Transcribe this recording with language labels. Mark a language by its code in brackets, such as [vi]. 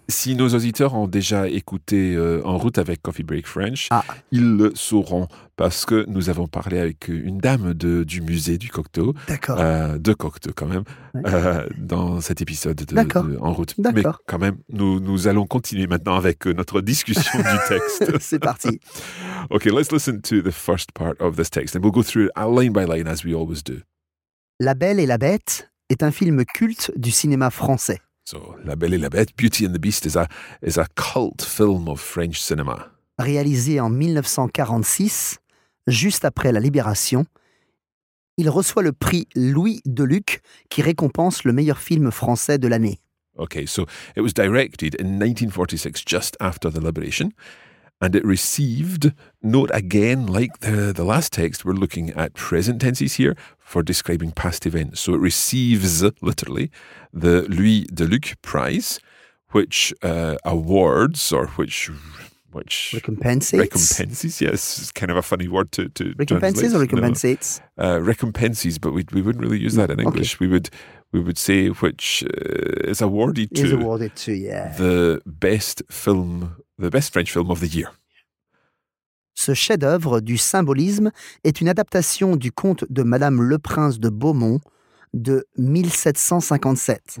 [fr] Si nos auditeurs ont déjà écouté En route avec Coffee Break French, ils le sauront, parce que nous avons parlé avec une dame du musée du Cocteau. D'accord. De Cocteau, quand même, dans cet épisode de En route. D'accord. Mais quand même, nous allons continuer maintenant avec notre discussion du texte. C'est parti. [en] Ok, let's listen to the first part of this text, and we'll go through it line by line, as we always do. [fr] La Belle et la Bête est un film culte du cinéma français. [en] So, La Belle et la Bête, Beauty and the Beast, is a cult film of French cinema. [fr] Réalisé en 1946, juste après la Libération, il reçoit le prix Louis Deluc, qui récompense le meilleur film français de l'année. [en] Okay, so it was directed in 1946, just after the Liberation, and it received, note again, like the last text, we're looking at present tenses here for describing past events. So it receives, literally, the Louis Deluc Prize, which awards, or which recompenses, yes, it's kind of a funny word to recompenses translate. Or recompensates? Recompenses, but we wouldn't really use that in English. Okay. We would say which is awarded to the best French film of the year. [fr] Ce chef-d'œuvre du symbolisme est une adaptation du conte de Madame le Prince de Beaumont de 1757.